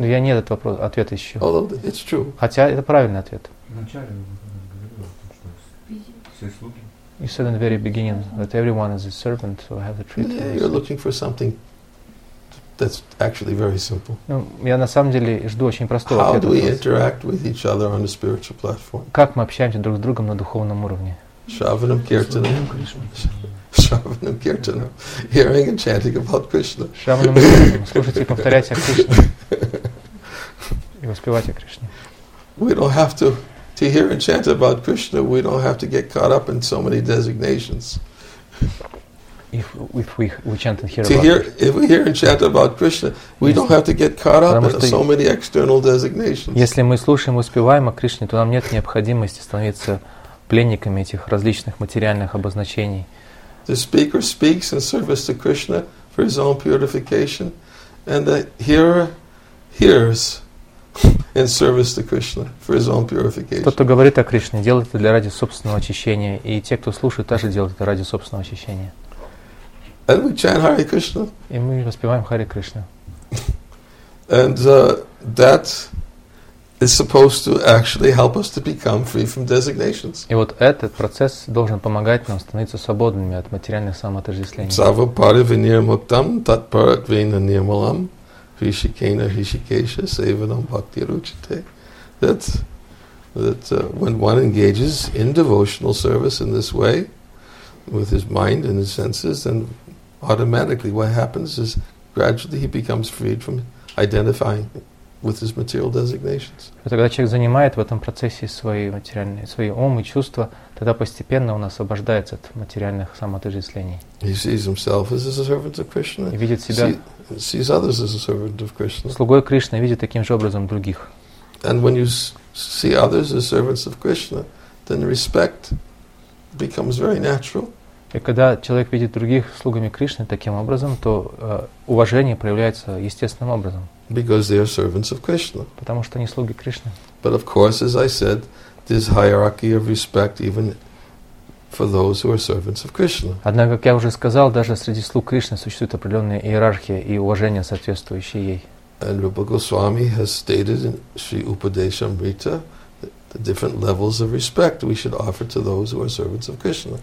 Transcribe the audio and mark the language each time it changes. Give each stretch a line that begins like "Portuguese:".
Russian: Но я не этот вопрос, ответ ищу.
English: Although it's true.
Russian: Хотя это правильный ответ. Вначале мы говорили о том, что все слуги.
English: You said in the very beginning that everyone is a servant, so I have to treat. Yeah, you're looking for something that's actually very simple.
Russian: Ну, я на самом деле жду очень простого
English: How
Russian: ответа.
English: How do we interact with each other on a spiritual platform?
Russian: Как мы общаемся друг с другом на духовном уровне?
English: Shravanam kirtanam. Shravanam kirtanam, hearing and chanting about Krishna.
Russian: Shravanam kirtanam, слушать и повторять о Кришне. И воспевать о Кришне.
English: We don't have to to hear and chant about Krishna, we don't have to get caught up in so many designations.
Russian: Если мы слушаем и успеваем о Кришне, то нам нет необходимости становиться пленниками этих различных материальных обозначений.
English: The speaker speaks in service to Krishna for his own purification, and the hearer hears in service to Krishna for his own purification.
Russian: Тот, кто говорит о Кришне, делает это для ради собственного очищения, и те, кто слушает, тоже делают это ради собственного очищения.
English: And we chant Hare Krishna.
Russian: И мы воспеваем Харе Кришна.
English: And that is supposed to actually help us to become free from designations.
Russian: И вот этот процесс должен помогать нам становиться свободными от материальных самоотождествлений.
Sanskrit: Сава пари винир муктам тат пари вина нирмалам ришикена ришикеша севанам бхакти ручите.
English: That when one engages in devotional service in this way, with his mind and his senses, then automatically, what happens is gradually he becomes freed from identifying with his material designations.
Russian: Когда человек занимает в этом процессе свои материальные, свои ум и чувства, тогда постепенно он освобождается от материальных самоотождествлений.
English: He sees himself as a servant of Krishna.
Russian: И видит себя.
English: Sees others as a servant of Krishna.
Russian: Слугой Кришны, видит таким же образом других.
English: And when you see others as servants of Krishna, then respect becomes very natural.
Russian: И когда человек видит других слугами Кришны таким образом, то уважение проявляется естественным образом.
English: Because they are servants of Krishna.
Russian: Потому что они слуги Кришны.
English: But of course, as I said, this hierarchy of respect even for those who are servants of Krishna.
Russian: Однако, как я уже сказал, даже среди слуг Кришны существует определенная иерархия и уважение, соответствующее ей.
English: And Rupa Goswami has stated in Sri Upadeshamrita the different levels of respect we should offer to those who are servants of Krishna.